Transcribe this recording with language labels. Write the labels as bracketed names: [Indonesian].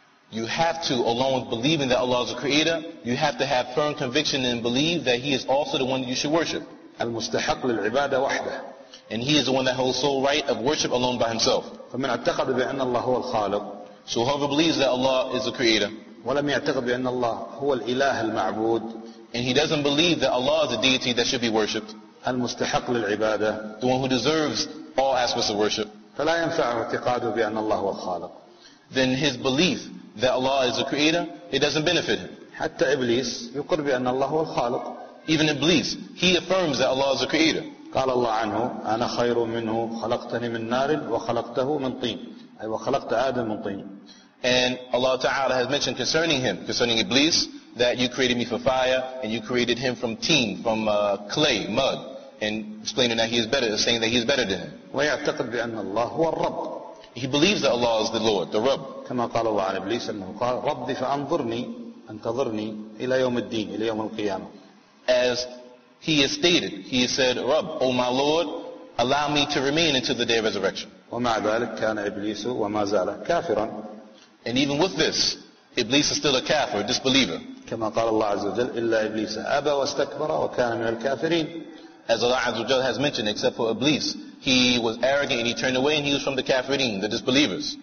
[English] You have to, along with believing that Allah is the Creator, you have to have firm conviction and believe that He is also the one that you should worship. [Arabic] المستحق للعبادة وحده. [English] And He is the one that holds sole right of worship alone by Himself. [Arabic] فمن اعتقد بأن الله هو الخالق. [English] So whoever believes that Allah is the Creator. [Arabic] ولم يعتقد بأن الله هو الإله المعبود. [English] And he doesn't believe that Allah is a deity that should be worshipped. [Arabic] المستحق للعبادة. [English] The one who deserves all aspects of worship. [Arabic] فلا ينفع اعتقاده بأن الله هو الخالق. [English] Then his belief that Allah is the Creator, it doesn't benefit him. [Arabic] حتى إبليس يقر بأن الله هو الخالق. [English] Even Iblis, he affirms that Allah is the Creator. [Arabic] قال الله عنه أنا خير منه خلقتني من نار وخلقته من طين. أي وخلقت آدم من طين. [English] And Allah Ta'ala has mentioned concerning him, concerning Iblis, that you created me for fire and you created him from teen, from clay, mud, and explaining that he is better, saying that he is better than him. [Arabic] ويعتقد بأن الله هو الرب. [English] He believes that Allah is the Lord, the Rabb. [Arabic] كما قال الله عن إبليس أنه قال ربي فأنظرني أنتظرني إلى يوم الدين إلى يوم القيامة. [English] As he has stated, he has said, Rabb, O my Lord, allow me to remain until the day of resurrection. [Arabic] ومع ذلك كان إبليس وما زال كافرا. [English] And even with this, Iblis is still a kafir, a disbeliever. [Arabic] كما قال الله عز وجل إلا إبليس أبى واستكبر وكان من الكافرين. [English] As Allah عز وجل has mentioned, except for Iblis, he was arrogant and he turned away and he was from the kafirin, the disbelievers.